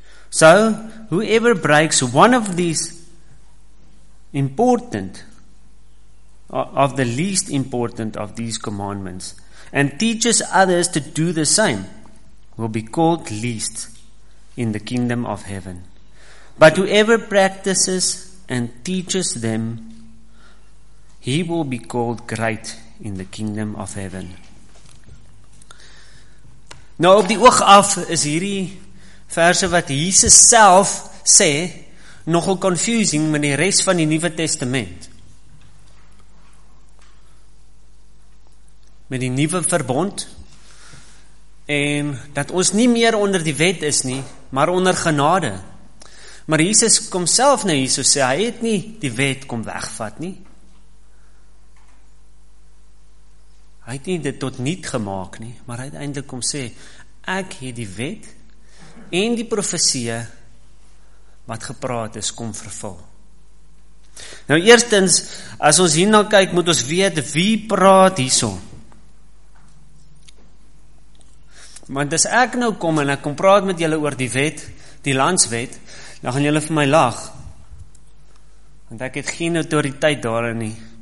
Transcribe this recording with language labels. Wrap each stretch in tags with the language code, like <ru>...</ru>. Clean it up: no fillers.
<en>So, whoever breaks one of these important of the least important of these commandments and teaches others to do the same will be called least in the kingdom of heaven. But whoever practices and teaches them, he will be called great in the kingdom of heaven.</en> <af>Nou op die oog af is hierdie verse wat Jesus self sê nogal confusing met die rest van die Nuwe Testament. Met die Nuwe Verbond en dat ons nie meer onder die wet is nie, maar onder genade. Maar Jesus kom self nou hier so sê, hy het nie die wet kom wegvat nie. Hy het nie dit tot niet gemaak nie, maar hy het eindelijk kom sê, ek het die wet en die profesie wat gepraat is, kom vervul. Nou eerstens, as ons hierna kyk, moet ons weet wie praat hierso. Want as ek nou kom en ek kom praat met julle oor die wet, die landswet, dan gaan julle vir my lag. Want ek het geen autoriteit daarin nie.</af>